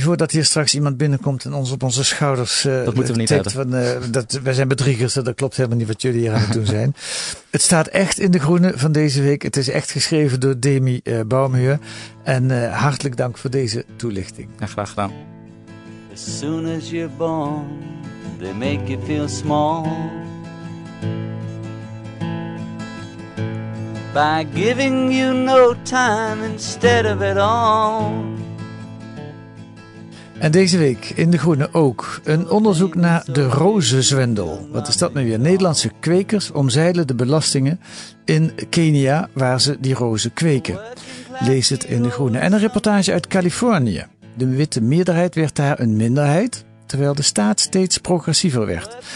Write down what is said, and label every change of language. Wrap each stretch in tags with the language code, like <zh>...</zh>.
<nl>Voordat hier straks iemand binnenkomt en ons op onze schouders dat moeten we niet tikt van, wij zijn bedriegers, dat klopt helemaal niet wat jullie hier aan het doen zijn. Het staat echt in de groene van deze week. Het is echt geschreven door Demi Baumheur. En hartelijk dank voor deze toelichting. Ja, graag gedaan.</nl> <en>As soon as you're born, they make you feel small. By giving you no time instead of it all.</en> <nl>En deze week in De Groene ook een onderzoek naar de rozenzwendel. Wat is dat nu weer? Nederlandse kwekers omzeilen de belastingen in Kenia waar ze die rozen kweken. Lees het in De Groene. En een reportage uit Californië. De witte meerderheid werd daar een minderheid, terwijl de staat steeds progressiever werd.</nl>